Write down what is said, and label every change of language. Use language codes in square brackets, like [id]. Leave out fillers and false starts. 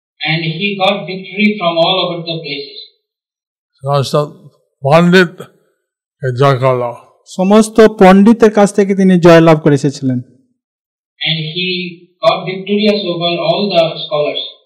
[en] And he got victory from all over the places. [bn] সমস্ত পণ্ডিত জয় করলো। সমস্ত পণ্ডিতের কাছ থেকে তিনি জয় লাভ করেছিলেন। [en] And he got victorious over all the scholars.